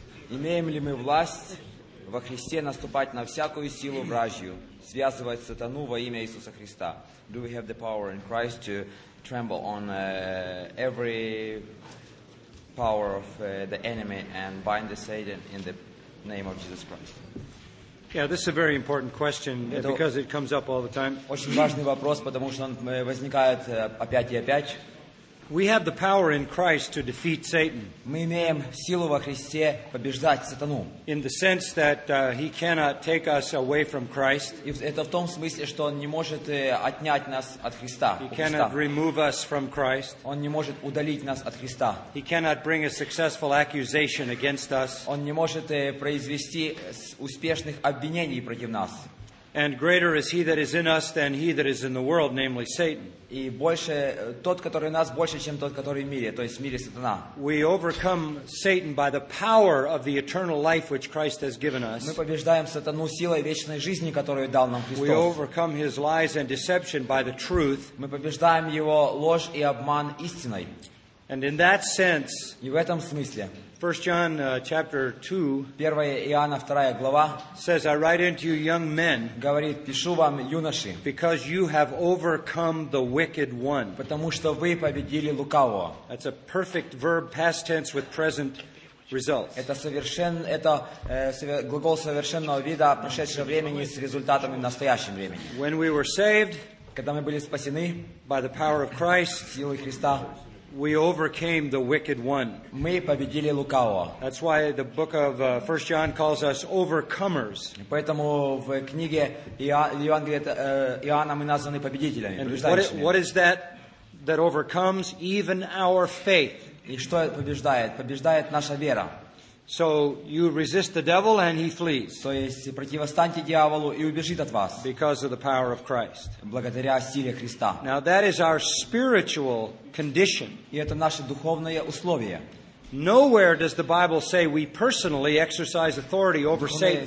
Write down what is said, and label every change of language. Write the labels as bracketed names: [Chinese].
[Russian] Имеем ли мы власть во Христе наступать на всякую силу вражью, связывать сатану во имя Иисуса Христа? [English] Do we have the power in Christ to trample on every power of the enemy and bind the Satan in the name of Jesus Christ? Yeah, this is a very important question because it comes up all the time. [Russian] Очень важный вопрос, потому что он возникает опять и опять. [English] We have the power in Christ to defeat Satan. [Russian] Мы имеем силу во Христе побеждать сатану. [English] In the sense that he cannot take us away from Christ. [Russian] Это в том смысле, что он не может отнять нас от Христа. [English] He cannot remove us from Christ. [Russian] Он не может удалить нас от Христа. [English] He cannot bring a successful accusation against us. [Russian] Он не может произвести успешных обвинений против нас. [English] And greater is he that is in us than he that is in the world, namely Satan. [Russian] И больше тот, который в нас, больше, чем тот, который в мире, то есть в мире сатана. [English] We overcome Satan by the power of the eternal life which Christ has given us. [Russian] Мы побеждаем сатану силой вечной жизни, которую дал нам Христос. [English] We overcome his lies and deception by the truth. [Russian] Мы побеждаем его ложь и обман истиной. [English] And in that sense, [Russian] и в этом смысле, [English] 1 John chapter 2, [Russian] 1 Иоанна 2 глава, [English] says, I write unto you young men, [Russian] говорит, пишу вам, юноши, [English] because you have overcome the wicked one. [Russian] Потому что вы победили лукавого. [English] That's a perfect verb, past tense with present results. [Russian] Это глагол совершенного вида прошедшего времени с результатами в настоящем времени. [English] When we were saved, [Russian] когда мы были спасены, [English] by the power of Christ, [Russian] силой Христа, [English] we overcame the wicked one. [Russian] Мы победили лукавого. [English] That's why the book of 1 John calls us overcomers. [Russian] Поэтому в книге Иоанна мы названы победителями. [English] What is that overcomes even our faith? [Russian] И что побеждает? Побеждает наша вера. [English] So you resist the devil and he flees. [Russian] То есть противостаньте дьяволу и убежит от вас. [English] Because of the power of Christ. [Russian] Благодаря силе Христа. [English] Now that is our spiritual condition. [Russian] И это наше духовное условие. [English] Nowhere does the Bible say we personally exercise authority over Satan.